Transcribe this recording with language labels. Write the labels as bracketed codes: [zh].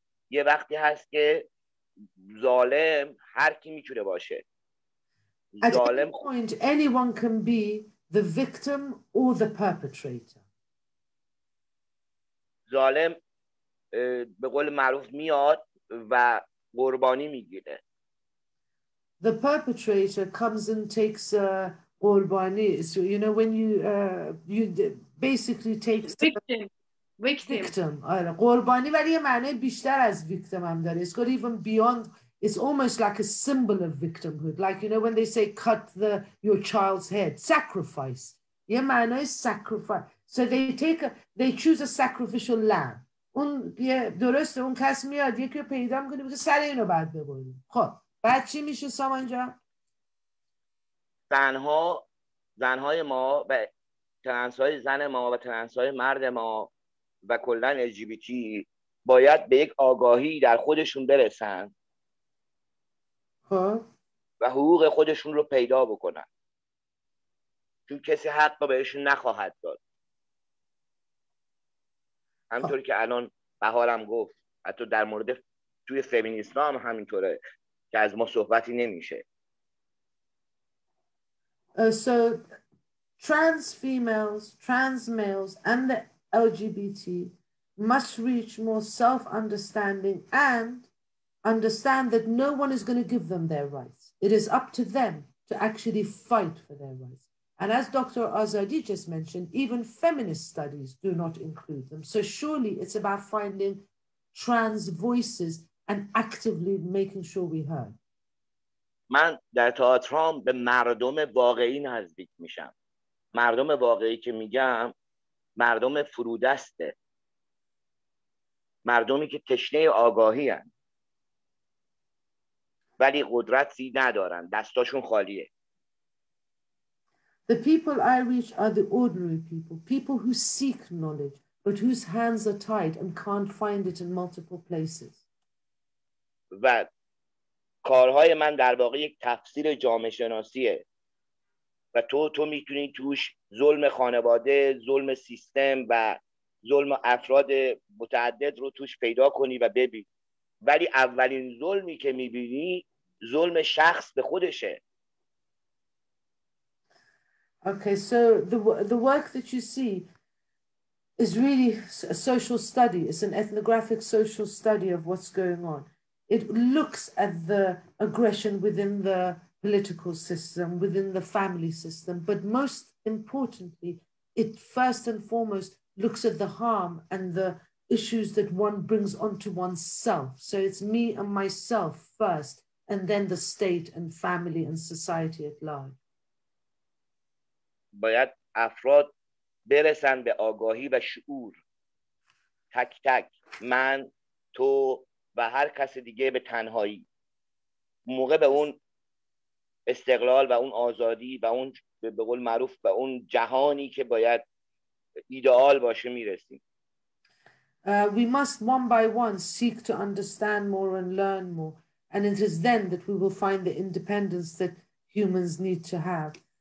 [fa] یه وقتی هست که ظالم هر کی میتونه باشه. [en] At ظالم any point, anyone can be the victim or the perpetrator. [fa] ظالم به قول معروف میاد و قربانی میگیره. [en] The perpetrator comes and takes a قربانی. So you know when you you basically take victim. [fa] آره قربانی، ولی یه معنی بیشتر از victim هم داره. [en] It's got even beyond. It's almost like a symbol of victimhood. Like you know when they say cut the your child's head, sacrifice. [fa] یه معنی [en] sacrifice. So they take they choose a sacrificial lamb. [fa] اون یه درسته، اون کس میاد یکی رو پیدا میکنه میگه سر اینو بعد ببریم. خب بعد چی میشه سامان جان؟ زنهای ما و ترنس های زن ما و ترنس های مرد ما و کلن LGBT باید به یک آگاهی در خودشون برسن و حقوق خودشون رو پیدا بکنن، چون کسی حق رو بهشون نخواهد داد، همطور که الان بهارم گفت، حتی در مورد توی فمینیست ها هم همینطوره که از ما صحبتی نمیشه. [en] So trans females, trans males and the LGBT must reach more self-understanding and understand that no one is going to give them their rights. It is up to them to actually fight for their rights. And as Dr. Azadi just mentioned, even feminist studies do not include them. So surely it's about finding trans voices and actively making sure we heard. [fa] من در تئاترام به مردم واقعی نزدیک میشم. مردم واقعی که میگم مردم فرودسته. مردمی که تشنه آگاهی هن. ولی قدرتی ندارن. دستاشون خالیه. [en] The people I reach are the ordinary people. People who seek knowledge, but whose hands are tied and can't find it in multiple places. [fa] و کارهای من در واقع یک تفسیر جامعه شناسیه و تو میتونی توش ظلم خانواده، ظلم سیستم و ظلم افراد متعدد رو توش پیدا کنی و ببینی، ولی اولین ظلمی که میبینی ظلم شخص به خودشه. [en] Okay, so the work that you see is really a social study. It's an ethnographic social study of what's going on. It looks at the aggression within the political system, within the family system, but most importantly, it first and foremost looks at the harm and the issues that one brings onto oneself. So it's me and myself first, and then the state and family and society at large. [fa] باید افراد برسن به آگاهی و شعور، تک تک، من، تو و هر کس دیگه به تنهایی، موقع به اون استقلال و اون آزادی و اون به قول معروف به اون جهانی که باید ایدئال باشه میرسیم. [en] We must one by one seek to understand more and learn more, and it is then that we will find the independence that humans need to have.